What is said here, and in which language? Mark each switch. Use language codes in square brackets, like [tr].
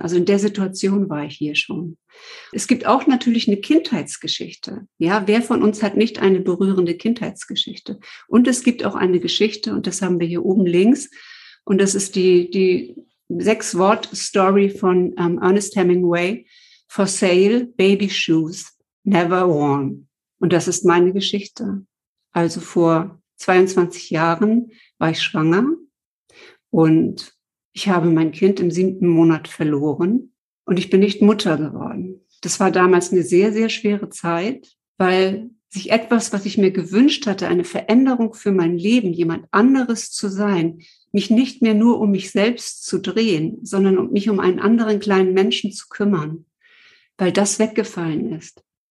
[de] Also in der Situation war ich hier schon. Es gibt auch natürlich eine Kindheitsgeschichte. Ja, wer von uns hat nicht eine berührende Kindheitsgeschichte? Und es gibt auch eine Geschichte, und das haben wir hier oben links. Und das ist die 6-Wort-Story von Ernest Hemingway. [en] For sale, baby shoes, never worn. [de] Und das ist meine Geschichte. Also vor 22 Jahren war ich schwanger. Und ich habe mein Kind im 7. Monat verloren und ich bin nicht Mutter geworden. Das war damals eine sehr, sehr schwere Zeit, weil sich etwas, was ich mir gewünscht hatte, eine Veränderung für mein Leben, jemand anderes zu sein, mich nicht mehr nur um mich selbst zu drehen, sondern um mich um einen anderen kleinen Menschen zu kümmern, weil das weggefallen ist.